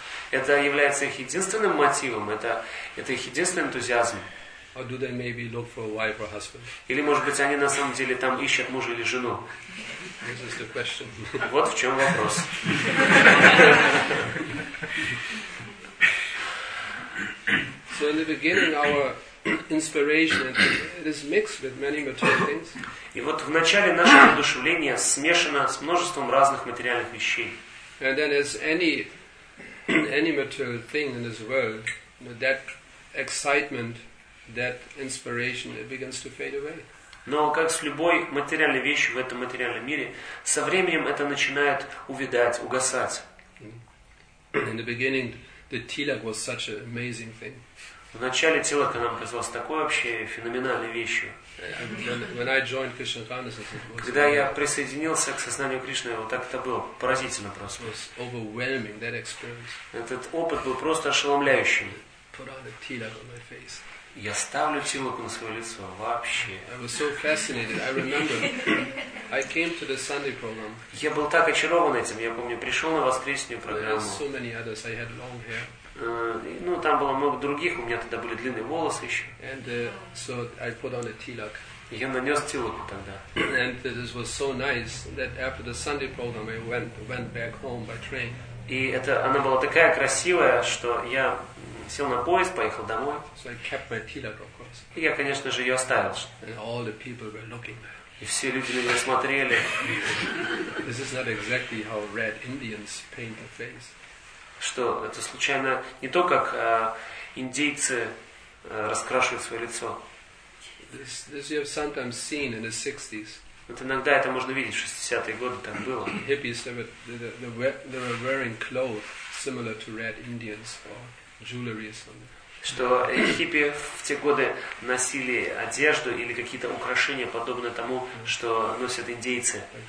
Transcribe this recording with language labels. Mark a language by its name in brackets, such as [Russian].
[Russian] Это является их единственным мотивом? Это их единственный энтузиазм? [English] Or do they maybe look for a wife or husband? [Russian] Или, может быть, они на самом деле там ищут мужа или жену? [English] This is the question. [Russian] Вот в чем вопрос. [English] So in the beginning, our inspiration it is mixed with many material things. [Russian] И вот в начале наше воодушевление смешано с множеством разных материальных вещей. [English] And then, as any material thing in this world, that excitement. That inspiration it begins to fade away. [Russian] Но как с любой материальной вещью в этом материальном мире, со временем это начинает увядать, угасать. [English] In the beginning, the tilak was such an amazing thing. [Russian] Вначале тилак нам казалось такой вообще феноменальной вещью. [English] When I joined Krishna consciousness, it was. [Russian] Когда я присоединился к сознанию Кришны, вот так это было поразительно просто. [English] It was overwhelming that experience. [Russian] Этот опыт был просто ошеломляющим. [English] Put on the tilak on my face. [Russian] Я ставлю тилаку на свое лицо вообще. [English] I was so fascinated. I remember I came to the Sunday program. [Russian] Я был так очарован этим. Я помню, пришел на воскресную программу. [English] There were so many others. I had long hair. [Russian] Ну, там было много других. У меня тогда были длинные волосы еще. [English] And so I put on a tilak. [Russian] Я нанес тилаку тогда. [English] And this was so nice that after the Sunday program I went back home by train. [Russian] И это она была такая красивая, что я сел на поезд, поехал домой. [English] So I kept my tilak, of course. [Russian] И я, конечно же, ее оставил. [English] And all the people were looking. [Russian] И все люди на меня смотрели. [English] This is not exactly how red Indians paint their face. [Russian] Что это случайно не то, как индейцы раскрашивают свое лицо. [English] This you have sometimes seen in the 60s. [Russian] Вот иногда это можно видеть, в 60-е годы так было. [English] Hippies, they were wearing clothes similar to red Indians or jewelry or something. [Russian] Что хиппи в те годы носили одежду или какие-то украшения, подобные тому, что носят индейцы.